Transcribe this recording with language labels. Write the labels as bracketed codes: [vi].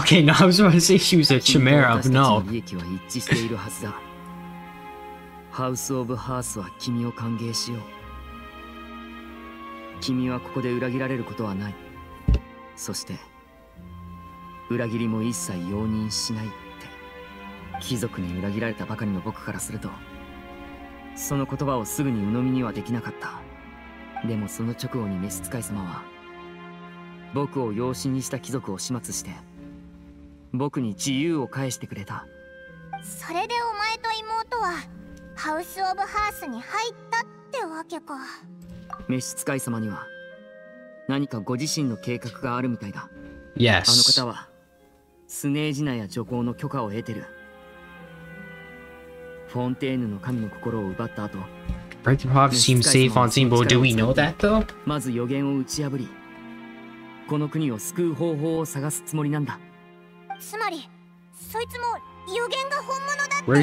[en] OK, now I was about to say she was a chimera, but no. [ja] 私たちの利益は一致しているはずだ。ハウスオブハースは君を歓迎しよう。君はここで裏切られることはない。そして裏切りも一切容認しないって。貴族に裏切られたばかりの僕からするとその言葉をすぐに鵜呑みにはできなかった。でもその直後に召使い様は僕を養子にした貴族を始末して僕に自由を返してくれた。それでお前と妹はハウスオブハースに入ったってわけか。召使い様には何かご自身の計画があるみたいだ。 [en] Yes. [ja] あの方はスネージナや女皇の許可を得てる。フォンテーヌの神の心を奪った後、 [en] Breaking Hawk seems safe on scene, but do we know that though? [ja] まず予言を打ち破り、この国を救う方法を探すつもりなんだ。つまり、そいつも予言が本物だって